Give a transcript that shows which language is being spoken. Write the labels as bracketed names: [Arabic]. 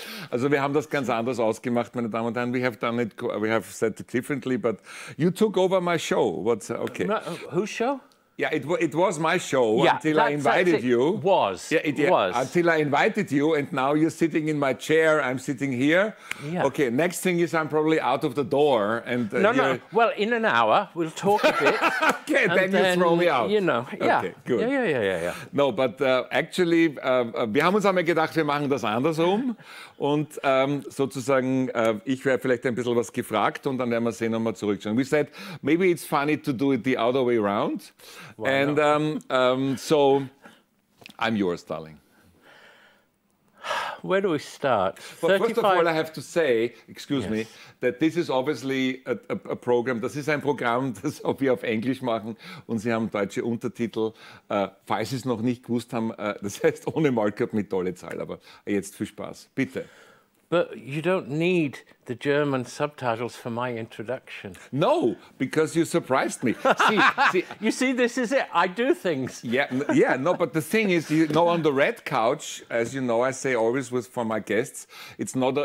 [German] Also, wir haben das ganz anders ausgemacht, meine Damen und Herren. [English] We have said it differently, but you took over my show. What's okay? Whose show? Yeah, it was my show until I invited you. It was. Until I invited you, and now you're sitting in my chair. I'm sitting here. Yeah. Okay. Next thing is I'm probably out of the door. And No. Well, in an hour we'll talk a bit. Okay. Then you throw me out. You know. Yeah. Okay. Good. Yeah. No, but actually, [German] wir haben uns einmal gedacht, wir machen das andersrum. Und sozusagen, ich werde vielleicht ein bisschen was gefragt und dann werden wir sehen, ob wir zurückschauen. [English] We said, maybe it's funny to do it the other way around. Why and no? So, I'm yours, darling. Where do we start? Well, first of all, I have to say, excuse me, that this is obviously a program, [German] das ist ein Programm, das wir auf Englisch machen und Sie haben deutsche Untertitel. Falls Sie es noch nicht gewusst haben, das heißt ohne Markup mit tolle Zahl, aber jetzt viel Spaß, bitte. [English] But you don't need the German subtitles for my introduction. No, because you surprised me. See, you see, this is it. I do things. Yeah. No, but the thing is, you know, on the red couch, as you know, I say always with for my guests, it's not.